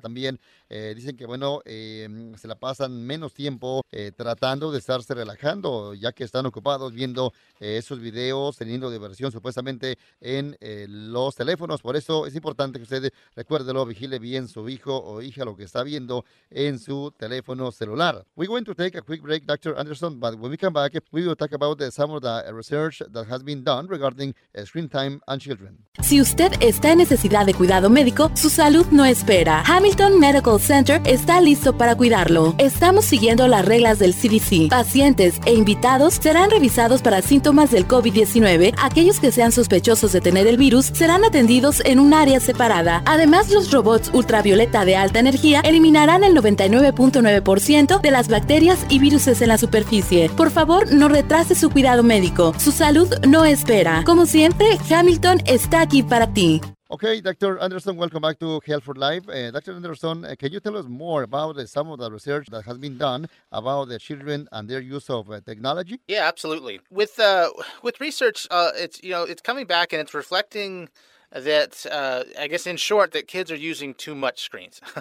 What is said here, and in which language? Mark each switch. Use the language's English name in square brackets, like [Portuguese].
[Spanish] También dicen que, bueno, se la pasan menos tiempo tratando de estarse relajando, ya que están ocupados viendo esos videos, teniendo diversión supuestamente en los teléfonos. Por eso es importante que usted recuérdelo, vigile bien su hijo o hija lo que está viendo en su teléfono celular. [English] We're going to take a quick break, Dr. Anderson, but when we come back, we will talk about some of the research that has been done regarding screen time and children. [Spanish] Si usted está en necesidad de cuidado médico, su salud no espera. Hamilton Medical Center está listo para cuidarlo. Estamos siguiendo las reglas del CDC. Pacientes e invitados serán revisados para síntomas del COVID-19. Aquellos que sean sospechosos de tener el virus serán atendidos en un área separada. Además, los robots ultravioleta de alta energía eliminarán el 99.9% de las bacterias y viruses en la superficie. Por favor, no retrase su cuidado médico. Su salud no espera. Como siempre, Hamilton está aquí para ti. [English] Okay, Dr. Anderson, welcome back to Health for Life. Dr. Anderson, can you tell us more about some of the research that has been done about the children and their use of technology? Yeah, absolutely. With research, it's coming back and it's reflecting that I guess in short that kids are using too much screens.